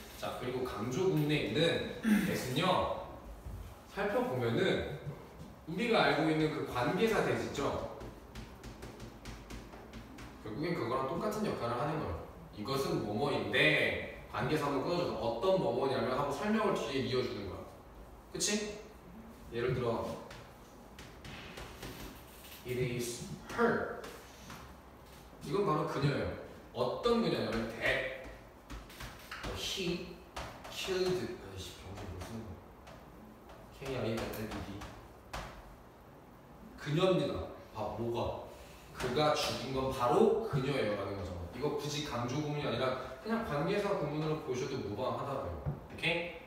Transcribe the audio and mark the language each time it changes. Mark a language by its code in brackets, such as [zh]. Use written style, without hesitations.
[ko] 자, 그리고 강조 구문에 있는 대신요 살펴보면은 우리가 알고 있는 그 관계사 대시죠? 결국엔 그거랑 똑같은 역할을 하는 거예요. 이것은 뭐뭐인데 관계사만 끊어져서 어떤 뭐뭐냐면 하고 설명을 뒤에 이어주는 거야. 그치? [en] 예를 들어 It is her. [ko] 이건 바로 그녀예요. 어떤 그녀냐면 [en] that he killed [ko] 아저씨 병신 못 쓰는 거 K-I-L-L-E-D 그녀입니다. 봐, 뭐가? 그가 죽인 건 바로 그녀예요 라는 거죠. 이거 굳이 강조 구문이 아니라 그냥 관계사 구문으로 보셔도 무방하다고요. 오케이?